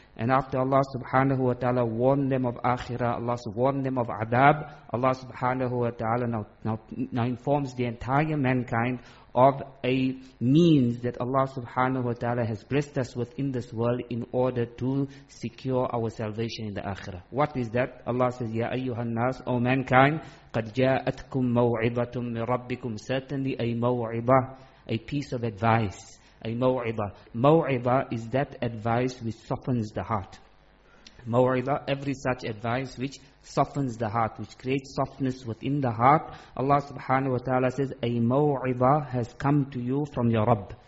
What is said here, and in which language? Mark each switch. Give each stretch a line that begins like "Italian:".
English: And after Allah subhanahu wa ta'ala warned them of akhirah, Allah warned them of adab, Allah subhanahu wa ta'ala now informs the entire mankind of a means that Allah subhanahu wa ta'ala has blessed us with in this world in order to secure our salvation in the akhirah. What is that? Allah says,
Arabic: يَا أَيُّهَا النَّاسِ.
English: O mankind,
Arabic: قَدْ جَاءَتْكُمْ مَوْعِبَةٌ مِّن رَبِّكُمْ.
English: Certainly a maw'ibah, a piece of advice. A maw'ibah. Maw'ibah is that advice which softens the heart. Maw'ibah, every such advice which softens the heart, which creates softness within the heart. Allah subhanahu wa ta'ala says, a maw'ibah has come to you from your Rabb.